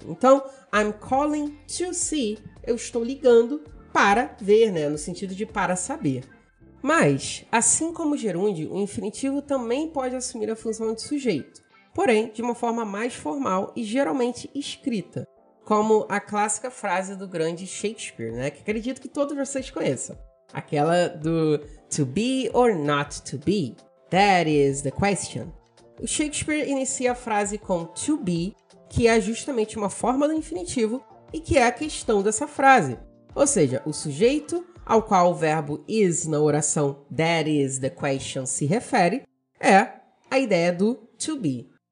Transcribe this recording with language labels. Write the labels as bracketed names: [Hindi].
[Portuguese] Então, [English] I'm calling to see, [Portuguese] eu estou ligando para ver, né? No sentido de para saber. Mas, assim como gerúndio, o infinitivo também pode assumir a função de sujeito, porém, de uma forma mais formal e geralmente escrita, como a clássica frase do grande Shakespeare, né? Que acredito que todos vocês conheçam. Aquela do [English] to be or not to be, that is the question. [Portuguese] O Shakespeare inicia a frase com to be, que é justamente uma forma do infinitivo e que é a questão dessa frase. Ou seja, o sujeito ao qual o verbo is na oração [English] that is the question [Portuguese] se refere é a ideia do to be.